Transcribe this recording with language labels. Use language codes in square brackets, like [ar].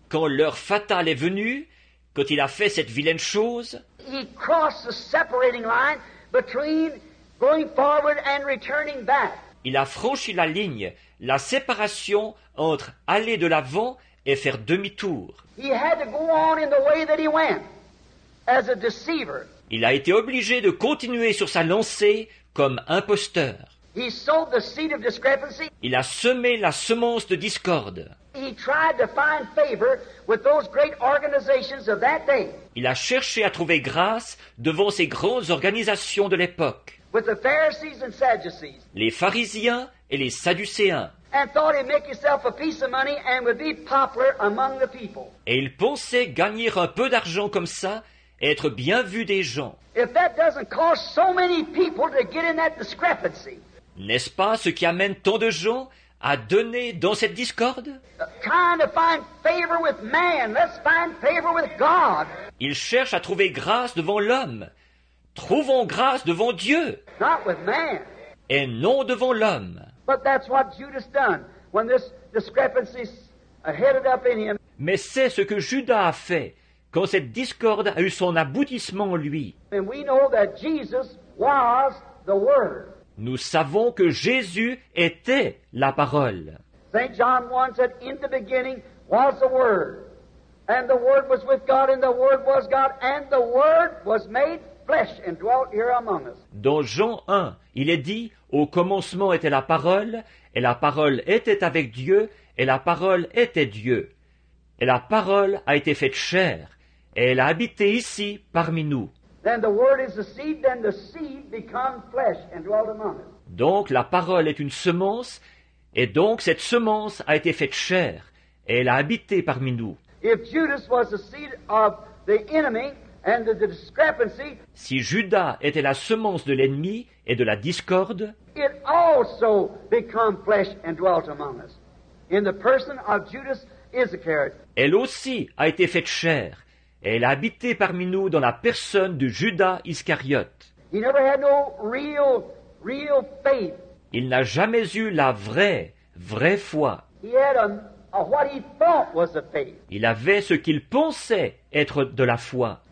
[fr] quand l'heure fatale est venue, quand il a fait cette vilaine chose, [en] he crossed the separating line between going forward and returning back. [fr] Il a franchi la ligne, la séparation entre aller de l'avant et faire demi-tour. [en] He had to go on in the way that he went, as a deceiver. [fr] Il a été obligé de continuer sur sa lancée comme imposteur. [en] He sowed the seed of discrepancy. [fr] Il a semé la semence de discorde. [en] He tried to find favor with those great organizations of that day. [fr] Il a cherché à trouver grâce devant ces grandes organisations de l'époque. [en] With the Pharisees and Sadducees. [fr] Les pharisiens et les sadducéens. [en] And thought he'd make himself a piece of money and would be popular among the people. [fr] Et il pensait gagner un peu d'argent comme ça et être bien vu des gens. [en] If that doesn't cause so many people to get in that discrepancy. [fr] N'est-ce pas ce qui amène tant de gens à donner dans cette discorde? [en] Trying to find favor with man, let's find favor with God. [fr] Il cherche à trouver grâce devant l'homme. Trouvons grâce devant Dieu. [en] Not with man. [fr] Et non devant l'homme. [en] But that's what Judas done when this discrepancy headed up in him. [fr] Mais c'est ce que Judas a fait quand cette discorde a eu son aboutissement en lui. [en] And we know that Jesus was the Word. [fr] Nous savons que Jésus était la parole. [en] Saint John 1 said, in the beginning was the Word, and the Word was with God, and the Word was God, and the Word was made flesh and dwelt here among us. [fr] Dans Jean 1, il est dit, au commencement était la parole, et la parole était avec Dieu, et la parole était Dieu. Et la parole a été faite chair, et elle a habité ici parmi nous. [en] Then the word is the seed, then the seed becomes flesh and dwelt among us. [fr] Donc la parole est une semence, et donc cette semence a été faite chair, et elle a habité parmi nous. [en] If Judas was the seed of the enemy and the discrepancy, [fr] si Judas était la semence de l'ennemi et de la discorde, [en] it also becomes flesh and dwelt among us. In the person of Judas Iscariot. [fr] Elle aussi a été faite chair. Elle a habité parmi nous dans la personne de Judas Iscariote. [en] He never had no real faith. [fr] Il n'a jamais eu la vraie foi. [en] He had what he thought was a faith. [fr] Il avait ce qu'il pensait être de la foi.